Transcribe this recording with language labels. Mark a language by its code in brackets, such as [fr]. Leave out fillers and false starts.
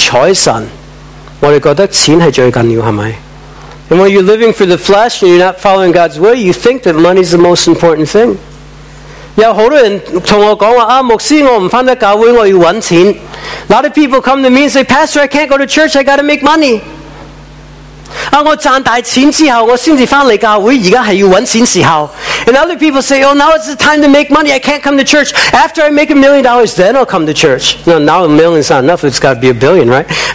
[zh] 当我们自我为中心，不采神，我们觉得钱是最重要，是不是？ [en] And when you're living for the flesh and you're not following God's way, you think that money is the most important thing. [zh] 有很多人跟我说，牧师，我不回到教会，我要赚钱。 [en] A lot of people come to me and say, Pastor, I can't go to church, I got to make money. [zh] 我赚大钱之后，我才回到教会，现在是要赚钱时候。 [en] And other people say, oh, now it's the time to make money, I can't come to church. After I make $1 million, then I'll come to church. No, now $1 million is not enough, it's got to be $1 billion, right?